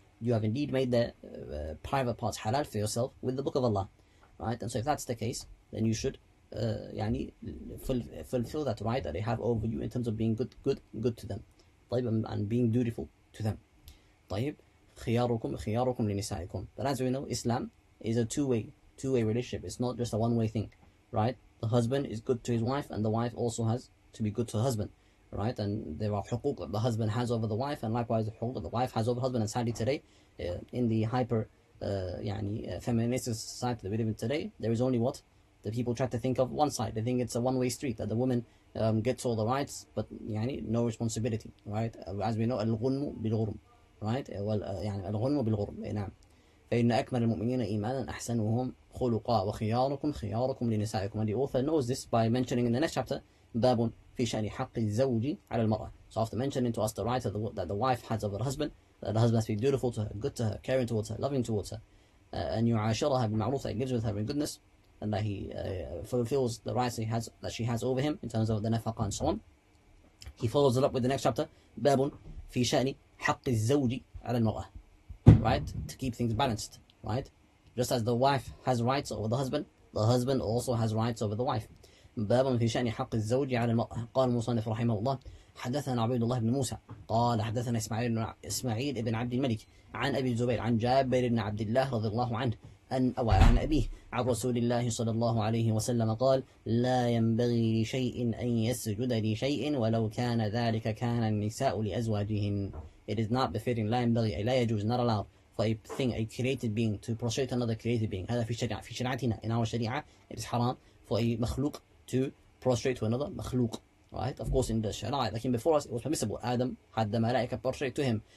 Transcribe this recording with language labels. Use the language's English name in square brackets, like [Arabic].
[English] You have indeed made the private parts halal for yourself with the book of Allah, right. And so if that's the case, then you should يعني fulfill that right that they have over you in terms of being good to them. طيب, and being dutiful to them. [Arabic] طيب, خياركم خياركم لنسائكم. [English] But as we know, Islam is a two-way relationship. It's not just a one-way thing, right? The husband is good to his wife, and the wife also has to be good to her husband, right? And there are حقوق that the husband has over the wife, and likewise the حقوق that the wife has over the husband. And sadly today, in the hyper, feminist society that we live in today, there is only what? The people try to think of one side. They think it's a one-way street, that the woman gets all the rights, but يعني no responsibility, right? As we know, [Arabic] الغنم بالغرم, [English] right? Well, [Arabic] يعني الغنم بالغرم, نعم. فإن أكمل المؤمنين إيمانا أحسنهم خلقا وخياركم خياركم لنسائكم. [English] And the author knows this by mentioning in the next chapter, [Arabic] باب في شأن حق الزوج على المرأة. [English] So after mentioning to us the rights that the wife has over the husband, that the husband has to be dutiful to her, good to her, caring towards her, loving towards her, and [Arabic] يعاشرها بالمعروف, [English] that he gives with her in goodness, and that he fulfills the rights that she has over him in terms of the nafaqah and so on. He follows it up with the next chapter, [Arabic] بَابٌ فِي شَأْنِ حَقِّ الزَّوْجِ عَلَى الْمَرْأَةِ. [English] Right? To keep things balanced, right? Just as the wife has rights over the husband also has rights over the wife. [Arabic] بَابٌ فِي شَأْنِ حَقِّ الزَّوْجِ عَلَى الْمَرْأَةِ. قال المصنف رحمه الله حدثنا عبيد الله بن موسى قال حدثنا إسماعيل بن عبد الملك عن أبي الزبير عن جابر بن عبد الله رضي الله عنه أن أوعي عن أبيه عن رسول الله صلى الله عليه وسلم قال لا ينبغي لشيء أن يسجد لشيء ولو كان ذلك كان النساء لأزواجهن. [English] It is not befitting, لا ينبغي, لا يجوز, not allowed for a thing, a created being, to prostrate another created being. [Arabic] هذا في شريعتنا, [English] in our شريعة, it is haram for a مخلوق to prostrate to another مخلوق. Right? Of course in the شريعة, like in before us, it was permissible. Adam had the ملائكة prostrate to him.